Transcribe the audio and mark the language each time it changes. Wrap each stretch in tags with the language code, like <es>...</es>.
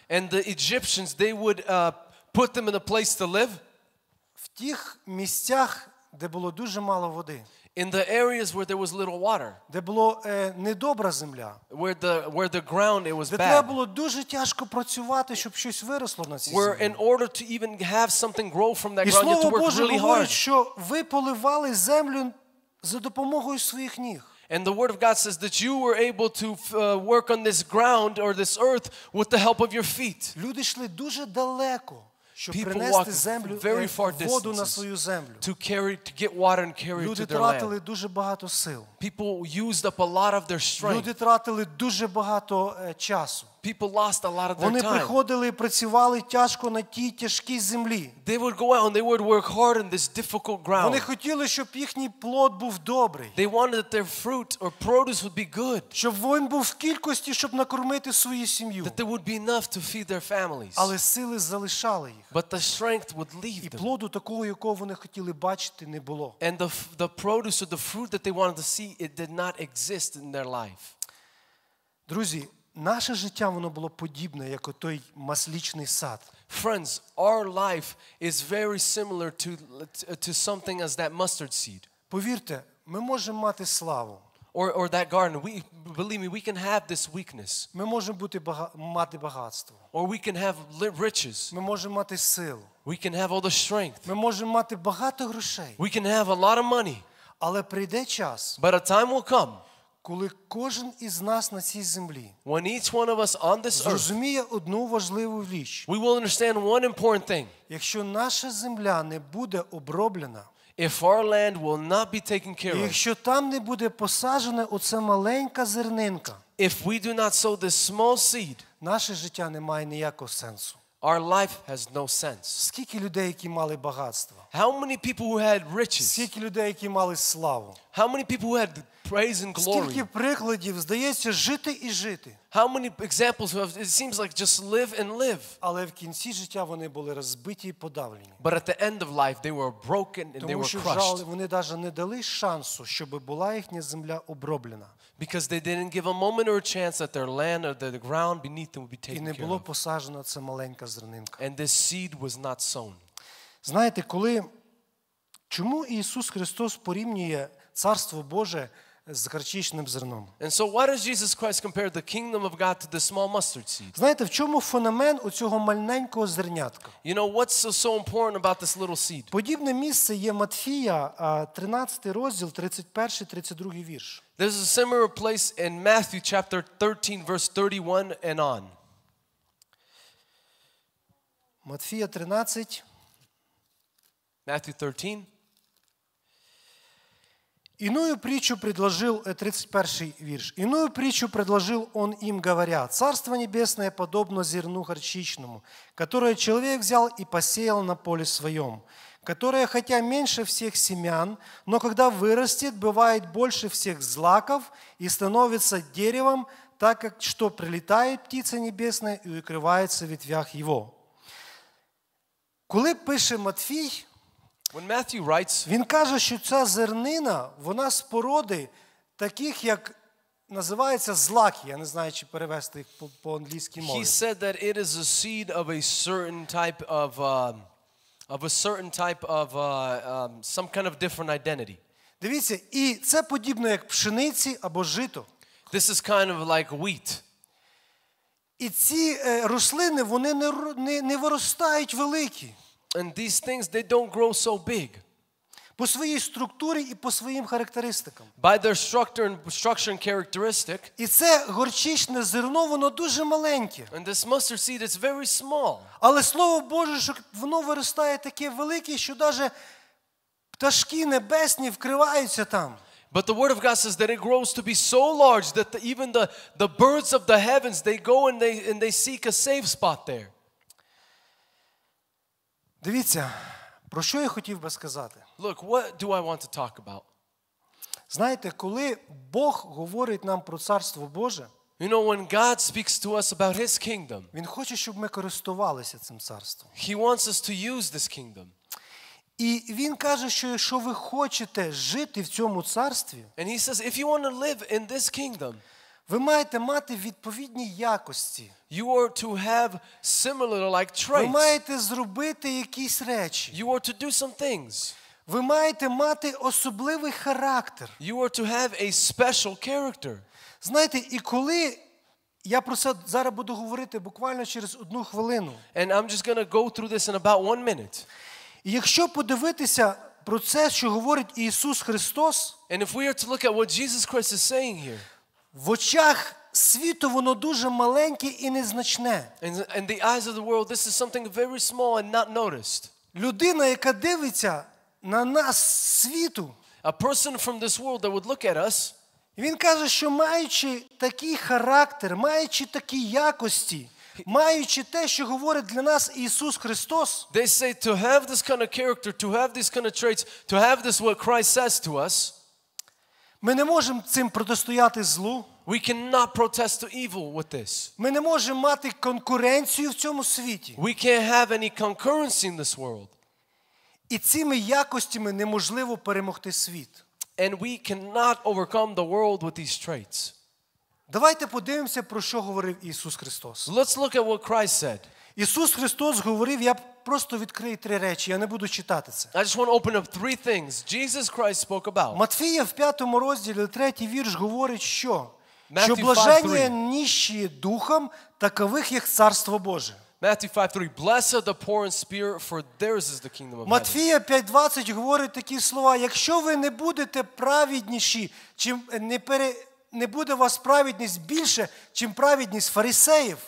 <en>And the Egyptians, they would put them in a place to live.</en> <uk>В тих місцях, де було дуже мало води.</uk> <en>In the areas where there was little water.</en> <uk>Де було недобра земля.</uk> <en>Where the ground it was bad.</en> <uk>Де треба було дуже тяжко працювати, щоб щось виросло на цій землі.</uk> <en>Where in order to even have something grow from that ground, you had to work really hard.</en> <uk>І Слово Боже говорить, що ви поливали землю за допомогою своїх ніг.</uk> <en>And the word of God says that you were able to work on this ground or this earth with the help of your feet.</en> <uk>Люди йшли дуже далеко, щоб принести землю,</uk> <en>very far distances,</en> <uk>воду на свою землю.</uk> <en>To get water and carry</en> <uk>люди</uk> <en>it to their land.</en> <uk>Люди тратили дуже багато сил.</uk> <en>People used up a lot of their strength.</en> <uk>Люди тратили дуже багато часу.</uk> <en>People lost a lot of their</en> <uk>вони</uk> <en>time.</en> <uk>Вони приходили і працювали тяжко на тій тяжкій землі.</uk> <en>They would go out and they would work hard in this difficult ground.</en> <uk>Вони хотіли, щоб їхній плод був добрий.</uk> <en>They wanted that their fruit or produce would be good.</en> <uk>Щоб він був в кількості, щоб накормити свою сім'ю.</uk> <en>That there would be enough to feed their families.</en> <uk>Але сили залишали їх.</uk> <en>But the strength would leave them.</en> <uk>І плоду такого, якого вони хотіли бачити, не було.</uk> <en>And the produce or the fruit that they wanted to see, it did not exist in their life.</en> <uk>Друзі, наше життя воно було подібне як отой масличний сад.</uk> <en>Friends, our life is very similar to something as that mustard seed.</en> <uk>Повірте, ми можемо мати славу.</uk> <en>Or that garden, we believe me, we can have this weakness.</en> <uk>Ми можемо бути мати багатство.</uk> <en>Or we can have riches.</en> <uk>Ми можемо мати силу.</uk> <en>We can have all the strength.</en> <uk>Ми можемо мати багато грошей.</uk> <en>We can have a lot of money.</en> <uk>Але прийде час.</uk> <en>But a time will come.</en> <uk>Коли кожен із нас на цій землі</uk> <en>when each one of us on this</en> <uk>зрозуміє одну важливу річ.</uk> <en>We will understand one important thing.</en> <uk>Якщо наша земля не буде оброблена,</uk> <en>if our land will not be taken care of,</en> <uk>якщо там не буде посаджена оце маленька зернинка,</uk> <en>if we do not sow this small seed,</en> <uk>наше життя не має ніякого сенсу.</uk> <en>Our life has no sense.</en> <uk>Скільки людей, які мали багатство?</uk> <en>How many people who had riches?</en> <uk>Скільки людей, які мали славу?</uk> <en>How many people who had praise and glory?</en> <uk>Скільки прикладів, здається, жити і жити.</uk> <en>How many examples of it seems like just live and live.</en> <uk>Але в кінці життя вони були розбиті і подавлені.</uk> <en>But at the end of life they were broken and they were crushed.</en> <uk>Тому що жали, вони даже не дали шансу, щоб була їхня земля оброблена.</uk> <en>Because they didn't give a moment or a chance that their land or the ground beneath them would be taken care of.</en> <uk>І не було посаджено це маленька зернинка.</uk> <en>And this seed was not sown.</en> <uk>Знаєте, коли чому Ісус Христос порівнює Царство Боже з гарчичним зерном?</uk> <en>And so why does Jesus Christ compare the kingdom of God to the small mustard seed?</en> <uk>Знаєте, в чому феномен у цього маленького зернятка?</uk> <en>You know what's so important about this little seed?</en> <uk>Подібне місце є Матфія, 13 розділ, 31-32 вірш.</uk> <en>There's a similar place in Matthew chapter 13 verse 31 and on.</en> <uk>Матфія 13</uk> <en>Matthew 13</en> <ru>Иную притчу предложил, 31 вірш, иную притчу предложил он им, говоря, «Царство небесное подобно зерну горчичному, которое человек взял и посеял на поле своем, которое, хотя меньше всех семян, но когда вырастет, бывает больше всех злаков и становится деревом, так как что прилетает птица небесная и укрывается в ветвях его».</ru> <uk>Коли пише Матфій,</uk> <en>when Matthew writes,</en> <uk>він каже, що ця зернина, вона з породи таких, як називається злаки, я не знаю, чи перевести їх по англійській мові.</uk> <en>He said that it is a seed of a certain type of some kind of different identity.</en> <uk>Дивіться, і це подібно як пшениці або жито.</uk> <en>This is kind of like wheat.</en> <uk>І ці рослини, вони не виростають великі.</uk> <en>And these things, they don't grow so big.</en> <uk>По своїй структурі і по своїм характеристикам.</uk> <en>By their structure and characteristic.</en> <uk>І це горчичне зерно, воно дуже маленьке.</uk> <en>And this mustard seed is very small.</en> <uk>Але Слово Боже, що воно виростає таке велике, що даже пташки небесні вкриваються там.</uk> <en>But the word of God says that it grows to be so large that even the birds of the heavens, they go and they seek a safe spot there.</en> <uk>Дивіться, про що я хотів би сказати.</uk> <en>Look, what do I want to talk about?</en> <uk>Знаєте, коли Бог говорить нам про Царство Боже,</uk> <en>you know, when God speaks to us about His kingdom,</en> <uk>Він хоче, щоб ми користувалися цим царством.</uk> <en>He wants us to use this kingdom.</en> <uk>І Він каже, що якщо ви хочете жити в цьому царстві,</uk> <en>and He says, if you want to live in this kingdom,</en> <uk>ви маєте мати відповідні якості.</uk> <en>You are to have similar like traits.</en> <uk>Ви маєте зробити якісь речі.</uk> <en>You are to do some things.</en> <uk>Ви маєте мати особливий характер.</uk> <en>You are to have a special character.</en> <uk>Знаєте, і коли я про це зараз буду говорити буквально через одну хвилину.</uk> <en>And I'm just going to go through this in about 1 minute.</en> <uk>І якщо подивитися про це, що говорить Ісус Христос,</uk> <en>and if we are to look at what Jesus Christ is saying here,</en> <uk>в очах світу воно дуже маленьке і незначне.</uk> <en>In the eyes of the world, this is something very small and not noticed.</en> <uk>Людина, яка дивиться на нас світу,</uk> <en>a person from this world that would look at us,</en> <uk>він каже, що маючи такий характер, маючи такі якості, маючи те, що говорить для нас Ісус Христос,</uk> <en>they say to have this kind of character, to have these kind of traits, to have this what Christ says to us,</en> <uk>ми не можемо цим протистояти злу.</uk> <en>We cannot protest to evil with this.</en> <uk>Ми не можемо мати конкуренцію в цьому світі.</uk> <en>We can't have any concurrency in this world.</en> <uk>І цими якостями неможливо перемогти світ.</uk> <en>And we cannot overcome the world with these traits.</en> <uk>Давайте подивимося, про що говорив Ісус Христос.</uk> <en>Let's look at what Christ said.</en> <uk>Ісус Христос говорив, я просто відкрию три речі, я не буду читати це.</uk> <en>I just want to open up three things Jesus Christ spoke about.</en> <uk>Матфія в 5 розділі, 3 вірш говорить, що Matthew 5, 3. Що блаженні нищі духом, такових як Царство Боже.</uk> <en>Matthew 5, 3. Blessed the poor in spirit, for theirs is the kingdom of heaven.</en> <uk>Матфія 5:20 говорить такі слова, якщо ви не будете праведніші, чим не буде вас праведність більше, чим праведність фарисеїв.</uk>